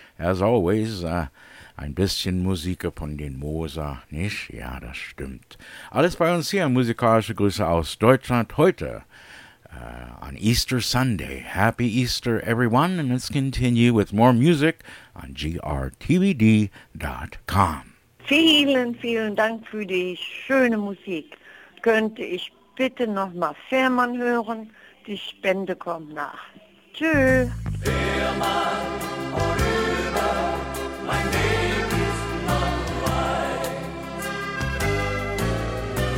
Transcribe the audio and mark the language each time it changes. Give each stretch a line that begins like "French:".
English: As always,
German: ein bisschen Musik von den Moser. Nicht? Ja, das stimmt. Alles bei uns hier. Musikalische Grüße aus Deutschland heute
English: on Easter Sunday. Happy Easter, everyone. And let's continue with more music on grtvd.com.
German: Vielen, vielen Dank für die schöne Musik. Könnte ich bitte nochmal Fährmann hören, die Spende kommt nach. Tschüss. Fährmann, vorüber, mein Weg ist noch weit.